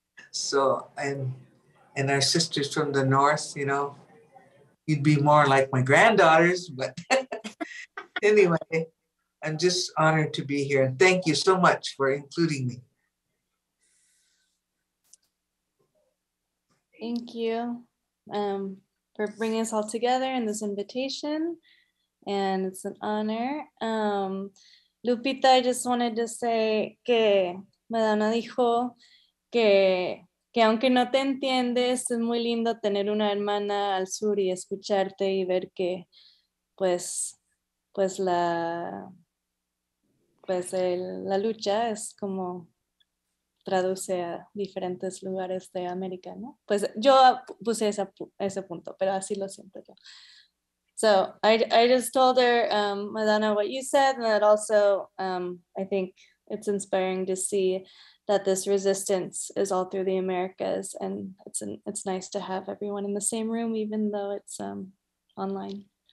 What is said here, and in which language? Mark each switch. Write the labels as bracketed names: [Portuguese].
[English] So, and our sisters from the North, you know, you'd be more like my granddaughters, but anyway, I'm just honored to be here. And thank you so much for including me. Thank you for bringing us all together in this invitation. And it's an honor. [Spanish] Lupita, [English] I just wanted to say [Spanish] que Madonna dijo que aunque no te entiendes, es muy lindo tener una hermana al sur y escucharte y ver que la lucha es como traduce a diferentes lugares de América, ¿no? Pues yo puse ese punto, pero así lo siento yo. [English] So I just told her, Madonna, what you said, and that also I think it's inspiring to see that this resistance is all through the Americas, and it's nice to have everyone in the same room, even though it's online.